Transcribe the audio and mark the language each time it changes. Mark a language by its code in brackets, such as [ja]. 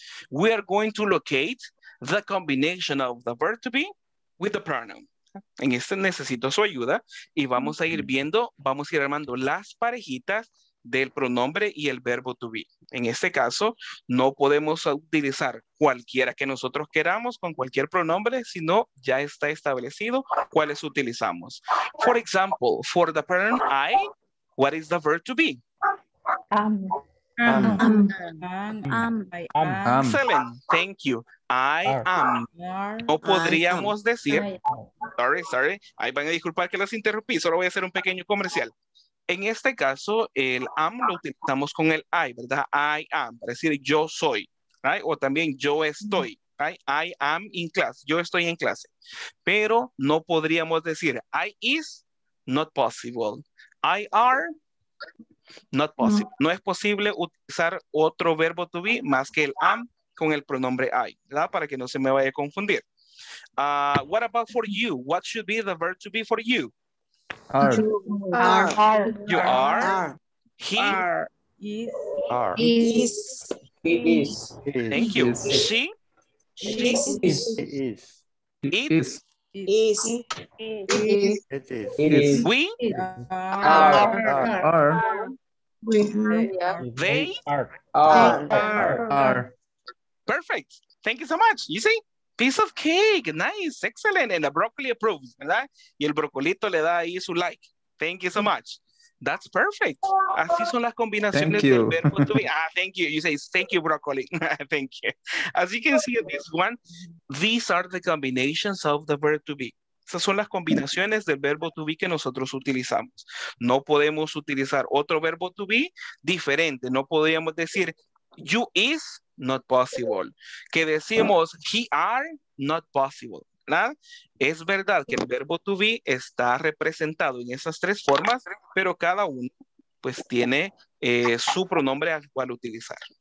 [en] We are going to locate the combination of the verb to be with the pronoun. [es] En este necesito su ayuda y vamos a ir viendo, vamos a ir armando las parejitas del pronombre y el verbo to be. En este caso, no podemos utilizar cualquiera que nosotros queramos con cualquier pronombre, sino ya está establecido cuáles utilizamos. [en] For example, for the pronoun I, what is the verb to be? I am. Excellent. Thank you. I am. [es] No podríamos decir. [en] Sorry. [es] Ahí van a disculpar que las interrumpí. Solo voy a hacer un pequeño comercial. En este caso, el am lo utilizamos con el I, ¿verdad? [en] I am. [es] Es decir, yo soy. Right? O también yo estoy. Right? I am in class. Yo estoy en clase. Pero no podríamos decir I is not possible. I are. Not possible. No es posible utilizar otro verbo to be más que el am con el pronombre I, ¿verdad? Para que no se me vaya a confundir. [en] What about for you? What should be the verb to be for you? Are. You are. He. Is. Are. Is. Is. Thank you. She. Is. Is. Is. Is. Is. We. Are. They are. Perfect. Thank you so much. You see? Piece of cake. Nice. Excellent. And the broccoli approves, ¿verdad? [es] Y el brocolito le da ahí su like. [en] Thank you so much. That's perfect. [es] Así son las combinaciones del verbo to be. [en] Thank you. You say, thank you, broccoli. Thank you. As you can see in this one, these are the combinations of the verb to be. [es] Esas son las combinaciones del verbo to be que nosotros utilizamos. No podemos utilizar otro verbo to be diferente. No podríamos decir, [en] you is not possible. [es] Que decimos, [en] he are not possible. [es] ¿Verdad? Es verdad que el verbo to be está representado en esas tres formas, pero cada uno pues tiene su pronombre al cual utilizar.